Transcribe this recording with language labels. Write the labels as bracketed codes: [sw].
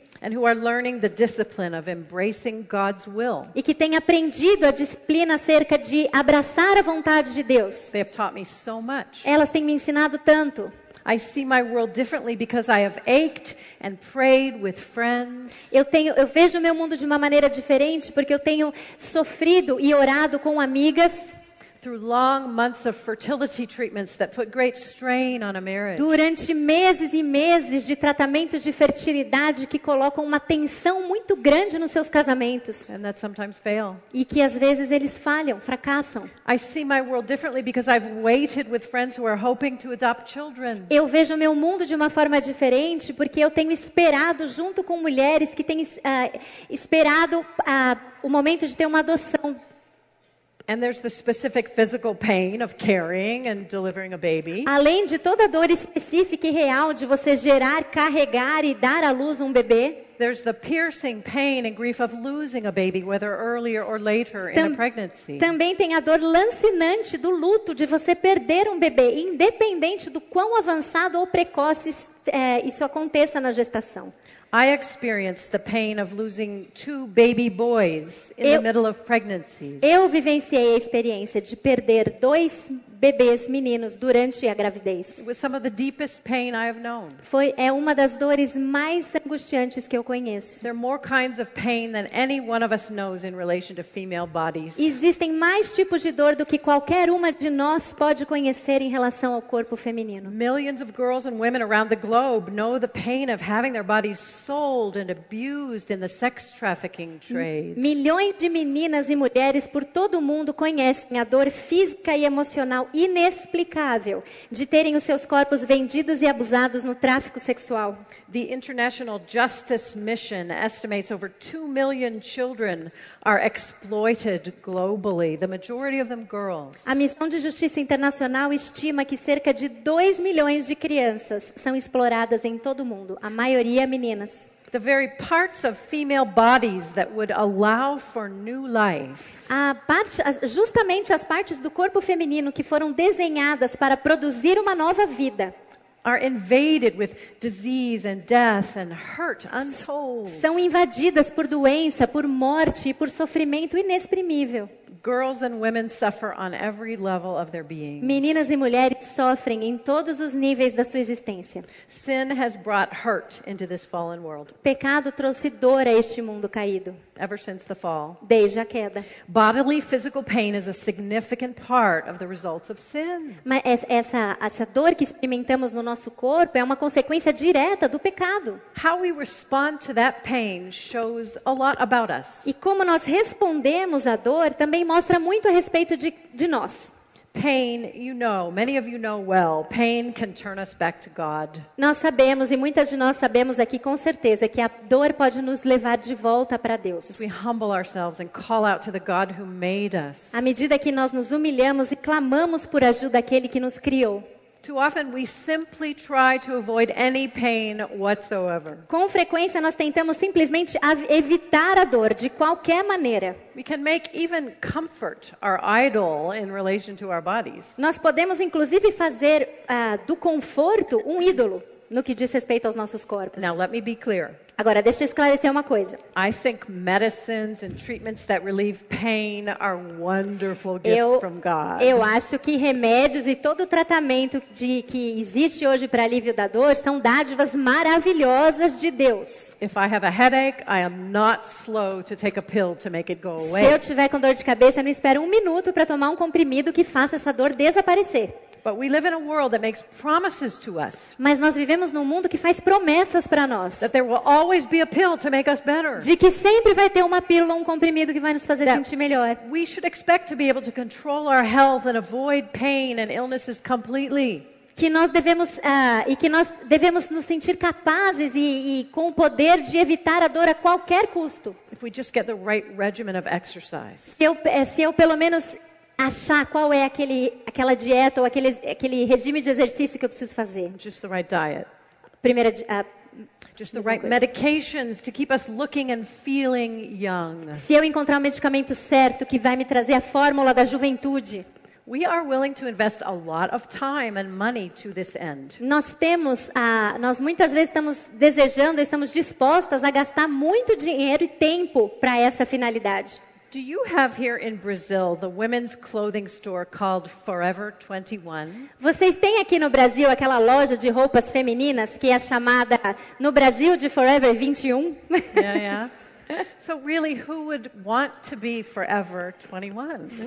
[en] And who are learning the discipline of embracing God's will. [pt] E que têm aprendido a disciplina acerca de abraçar a vontade de Deus. [en] They have taught me so much. [pt] Elas têm me ensinado tanto. [en] I see my world differently because I have ached and prayed with friends. [pt] Eu vejo o meu mundo de uma maneira diferente porque eu tenho sofrido e orado com amigas. [en] Through long months of fertility treatments that put great strain on a marriage. [pt] Durante meses e meses de tratamentos de fertilidade que colocam uma tensão muito grande nos seus casamentos. [en] And that sometimes fail. [pt] E que às vezes eles falham, fracassam. [en] I see my world differently because I've waited with friends who are hoping to adopt children. [pt] Eu vejo meu mundo de uma forma diferente porque eu tenho esperado junto com mulheres que têm esperado o momento de ter uma adoção. [en] And there's the specific physical pain of carrying and delivering a baby. [pt] Além de toda a dor específica e real de você gerar, carregar e dar à luz um bebê. [en] There's the piercing pain and grief of losing a baby, whether earlier or later in a pregnancy. [pt] Também tem a dor lancinante do luto de você perder um bebê, independente do quão avançado ou precoce isso aconteça na gestação. [en] I experienced the pain of losing two baby boys in the middle of pregnancies. [pt] Eu vivenciei a experiência de perder dois bebês meninos durante a gravidez. [en] It was some of the deepest pain I have known. [pt] É uma das dores mais angustiantes que eu conheço. [en] There are more kinds of pain than any one of us knows in relation to female bodies. [pt] Existem mais tipos de dor do que qualquer uma de nós pode conhecer em relação ao corpo feminino. [en] Millions of girls and women around the globe know the pain of having their bodies sold and abused in the sex trafficking trade. [pt] Milhões de meninas e mulheres por todo o mundo conhecem a dor física e emocional inexplicável de terem os seus corpos vendidos e abusados no tráfico sexual. [en] The International Justice Mission estimates over 2 million children are exploited globally, the majority of them girls. [pt] A Missão de Justiça Internacional estima que cerca de 2 milhões de crianças são exploradas em todo o mundo, a maioria meninas. [en] The very parts of female bodies that would allow for new life. [pt] Justamente as partes do corpo feminino que foram desenhadas para produzir uma nova vida. [en] Are invaded with disease and death and hurt untold. [pt] São invadidas por doença, por morte e por sofrimento inexprimível. [en] Girls and women suffer on every level of their beings. [pt] Meninas e mulheres sofrem em todos os níveis da sua existência. [en] Sin has brought hurt into this fallen world. [pt] Pecado trouxe dor a este mundo caído. [en] Ever since the fall. [pt] Desde a queda. [en] Bodily physical pain is a significant part of the results of sin. [pt] Mas essa dor que experimentamos no nosso corpo é uma consequência direta do pecado. [en] How we respond to that pain shows a lot about us. [pt] E como nós respondemos à dor também mostra muito a respeito de nós. [en] Pain, you know, many of you know well, pain can turn us back to God. [pt] Nós sabemos e muitas de nós sabemos aqui com certeza que a dor pode nos levar de volta para Deus. [en] As we humble ourselves and call out to the God who made us. [pt] À medida que nós nos humilhamos e clamamos por ajuda àquele que nos criou. [en] Too often we simply try to avoid any pain whatsoever. [pt] Com frequência nós tentamos simplesmente evitar a dor de qualquer maneira. [en] We can make even comfort our idol in relation to our bodies. [pt] Nós podemos inclusive fazer do conforto ídolo no que diz respeito aos nossos corpos. [en] Now let me be clear. [pt] Agora deixa eu esclarecer uma coisa. [en] I think medicines and treatments that relieve pain are wonderful gifts from God. [pt] Eu acho que remédios e todo o tratamento que existe hoje para alívio da dor são dádivas maravilhosas de Deus. [en] If I have a headache, I am not slow to take a pill to make it go away. [pt] Se eu tiver com dor de cabeça, não espero um minuto para tomar um comprimido que faça essa dor desaparecer. [en] But we live in a world that makes promises to us. [pt] Mas nós vivemos num mundo que faz promessas para nós. [en] That there will always be a pill to make us better. [pt] De que sempre vai ter uma pílula ou um comprimido que vai nos fazer sentir melhor. [en] We should expect to be able to control our health and avoid pain and illnesses completely. [pt] Que nós devemos nos sentir capazes e com o poder de evitar a dor a qualquer custo. [en] If we just get the right regimen of exercise. [pt] Se eu pelo menos achar qual é aquela dieta ou aquele regime de exercício que eu preciso fazer. [en] Just the right diet. [pt] Primeira, [en] just the right medications to keep us looking and feeling young. [pt] Se eu encontrar o medicamento certo que vai me trazer a fórmula da juventude. [en] We are willing to invest a lot of time and money to this end. [pt] Nós muitas vezes estamos dispostas a gastar muito dinheiro e tempo para essa finalidade. [en] Do you have here in Brazil the women's clothing store called Forever 21? [pt] Vocês têm aqui no Brasil aquela loja de roupas femininas que é chamada no Brasil de Forever 21? [en] Yeah. So really, who would want to be forever 21?